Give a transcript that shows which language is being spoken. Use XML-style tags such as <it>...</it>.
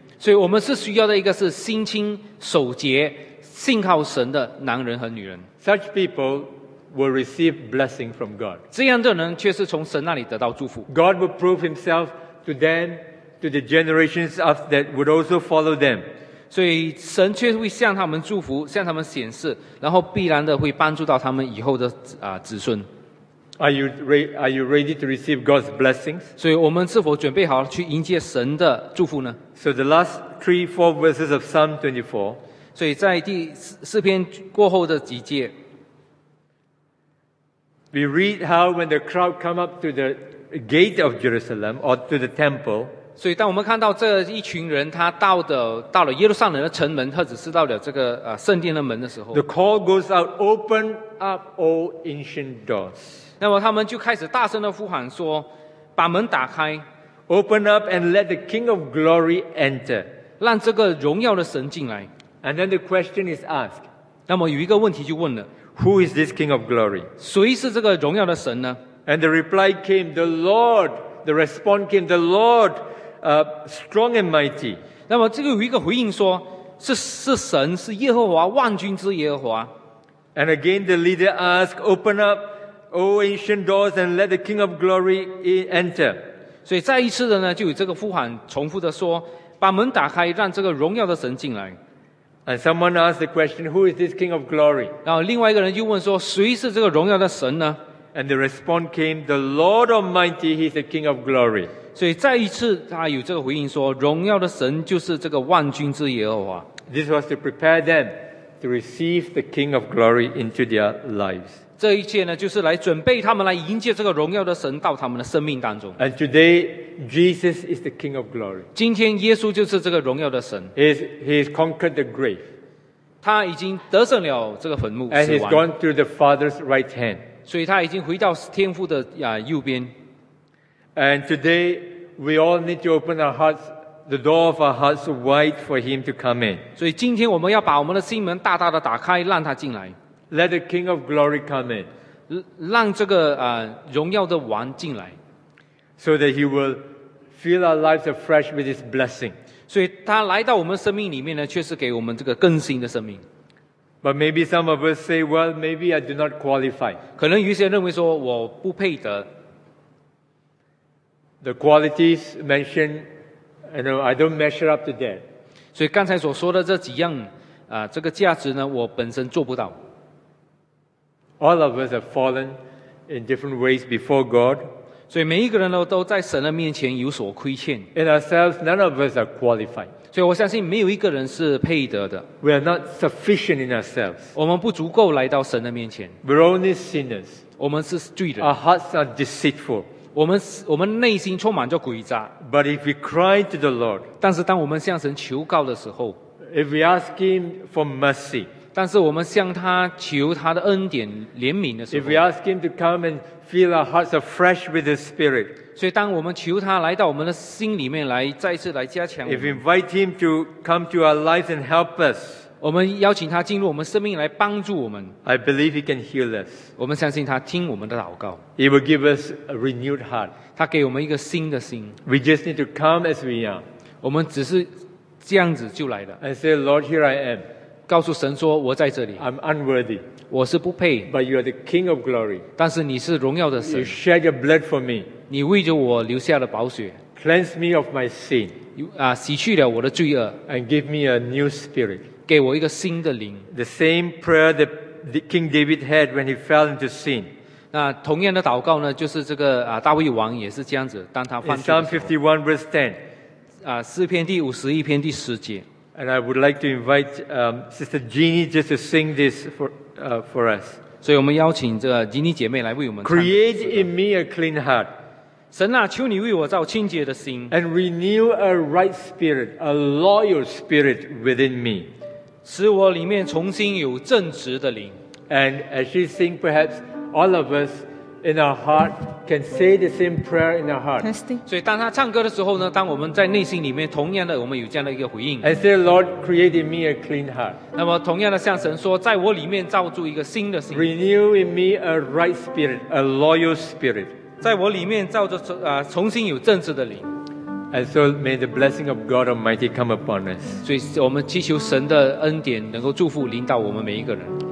<zh>所以我们是需要的一个是心清守洁、信靠神的男人和女人。</zh> <en>Such people will receive blessing from God.</en> <zh>这样的人却是从神那里得到祝福。</zh> <en>God will prove himself to them, to the generations after that would also follow them.</en> <zh>所以神却会向他们祝福，向他们显示，然后必然的会帮助到他们以后的子孙。</zh> <en>Are you ready to receive God's blessings?</en> <zh>所以我们是否准备好去迎接神的祝福呢？</zh> <en>So the last 3-4 verses of Psalm 24.</en> <zh>所以在第四篇过后的几节，</zh> <en>We read how when the crowd come up to the gate of Jerusalem or to the temple.</en> <zh>所以当我们看到这一群人他到了耶路撒冷的城门，或者是到了这个圣殿的门的时候，</zh> <en>The call goes out, open up all ancient doors.</en> <zh>那么他们就开始大声的呼喊说，把门打开，</zh> <en>Open up and let the King of Glory enter.</en> <zh>让这个荣耀的神进来。</zh> <en>And then the question is asked.</en> <zh>那么有一个问题就问了，</zh> <en>Who is this King of Glory?</en> <zh>谁是这个荣耀的神呢？</zh> <en>And the reply came, the Lord, the response came, the Lord, strong and mighty.</en> <zh>那么这个有一个回应说，是神，是耶和华，万军之耶和华。</zh> <en>And again the leader asked, open up, O ancient doors, and let the King of Glory enter.</en> <zh>所以再一次的呢，就有这个呼喊，重复的说，把门打开，让这个荣耀的神进来。</zh> <en>And someone asked the question, who is this King of Glory?</en> <zh>然后另外一个人就问说，谁是这个荣耀的神呢？</zh> <en>And the response came, the Lord Almighty, He is the King of Glory.</en> <zh>所以再一次他有这个回应说，荣耀的神就是这个万军之耶和华。</zh> <en>This was to prepare them to receive the King of Glory into their lives.</en> <zh>这一切呢，就是来准备他们来迎接这个荣耀的神到他们的生命当中。</zh> <en>And today, Jesus is the King of Glory.</en> <zh>今天耶稣就是这个荣耀的神。</zh> <en>He has conquered the grave.</en> <zh>他已经得胜了这个坟墓，死亡。</zh> <en>And He's gone to the Father's right hand.</en> <zh>所以他已经回到天父的右边。</zh> <en>And today we all need to open our hearts, the door of our hearts wide for Him to come in.</en> <zh>所以今天我们要把我们的心门大大的打开，让他进来。</zh> <en>Let the King of Glory come in.</en> <zh>让这个荣耀的王进来。</zh> <en>So that He will fill our lives afresh with His blessing.</en> <zh>所以他来到我们生命里面呢，却是给我们这个更新的生命。</zh> <en>But maybe some of us say, well, maybe I do not qualify.</en> <zh>可能有些人认为说我不配得。</zh> <en>The qualities mentioned, you know, I don't measure up to that.</en> <zh>所以刚才所说的这几样这个价值呢，我本身做不到。</zh> <en>All of us have fallen in different ways before God.</en> <zh>所以每一个人呢，都在神的面前有所亏欠。</zh> <en>In ourselves, none of us are qualified.</en> <zh>所以我相信没有一个人是配得的。</zh> <en>We are not sufficient in ourselves.</en> <zh>我们不足够来到神的面前。</zh> <en>We're only sinners.</en> <zh>我们是罪人。</zh> <en>Our hearts are deceitful.</en> <zh>我们内心充满着诡诈。</zh> <en>But if we cry to the Lord,</en> <zh>但是当我们向神求告的时候，</zh> <en>if we ask Him for mercy,</en> <zh>但是我们向他求他的恩典怜悯的时候，</zh> <en>if we ask Him to come and fill our hearts afresh with His Spirit,</en> <zh>所以当我们求他来到我们的心里面来，再次来加强我们。</zh> <en>If we invite Him to come to our lives and help us,</en> <zh>我们邀请他进入我们生命来帮助我们。</zh> <en>I believe He can heal us.</en> <zh>我们相信他听我们的祷告。</zh> <en>He will give us a renewed heart.</en> <zh>他给我们一个新的心。</zh> <en>We just need to come as we are.</en> <zh>我们只是这样子就来了。</zh> <en>And say, Lord, here I am.</en> <zh>告诉神说，我在这里。</zh> <en>I'm unworthy.</en> <zh>我是不配，</zh> <en>But you are the King of Glory.</en> <zh>但是你是荣耀的神。</zh> <en>You shed your blood for me.</en> <zh>你为着我流下了宝血。</zh> <en>Cleanse me of my sin.</en> <zh>洗去了我的罪恶。</zh> <en>And give me a new spirit.</en> <zh>给我一个新的灵。</zh> <en>The same prayer that King David had when he fell into sin.</en> <zh>那同样的祷告呢，就是这个大卫王也是这样子，当他犯罪的时候。</zh> <en>Psalm 51 verse 10.</en> <zh>诗篇第51篇第十节。</zh> <en>And I would like to invite Sister Jeannie just to sing this for us.</en> <zh>所以我们邀请这个吉妮姐妹来为我们唱。</zh> <en>Create in me a clean heart.</en> <zh>神啊，求你为我造清洁的心。</zh> <en>And renew a right spirit, a loyal spirit within me.</en> <zh>使我里面重新有正直的灵。</zh> <en>And as she sings, perhaps all of us in our heart can say the same prayer in our heart.</en> <zh>所以当她唱歌的时候呢，当我们在内心里面同样的，我们有这样的一个回应。</zh> <en>And say, Lord, create in me a clean heart.</en> <zh>那么同样的向神说，在我里面造住一个新的心。</zh> <en>Renew in me a right spirit, a loyal spirit.</en> <zh>在我里面造着重新有正直的灵。</zh> <en>And so may the blessing of God Almighty come upon us.</en> <zh>所以我们祈求神的恩典能够祝福临到我们每一个人。</zh>